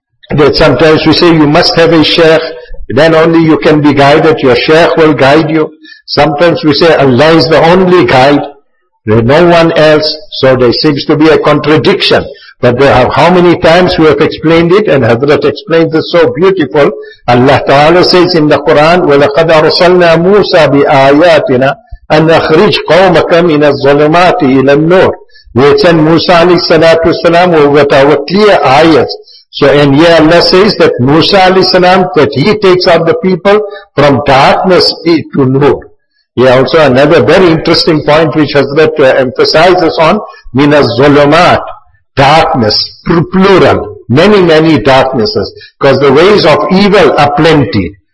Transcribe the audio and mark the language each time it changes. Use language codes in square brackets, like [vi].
[en] That sometimes we say you must have a sheikh, then only you can be guided, your sheikh will guide you. Sometimes we say Allah is the only guide, there's no one else, so there seems to be a contradiction. But there are how many times we have explained it, and Hazrat explains this so beautiful. Allah Ta'ala says in the Quran, [ar] وَلَقَدْ أَرْسَلْنَا مُوسَى بِآيَاتِنَا أَنْ أَخْرِجْ قَوْمَكَ مِنَ الظُّلُمَاتِ إِلَى النُّورِ. [en] We had sent Musa alayhi salatu wasalam with our clear ayahs. So, and here Allah says that Musa alayhi salam, that he takes out the people from darkness to nur. Here also another very interesting point which Hazrat emphasizes on, minas zulumat, darkness, plural, many, many darknesses, because the ways of evil are plenty.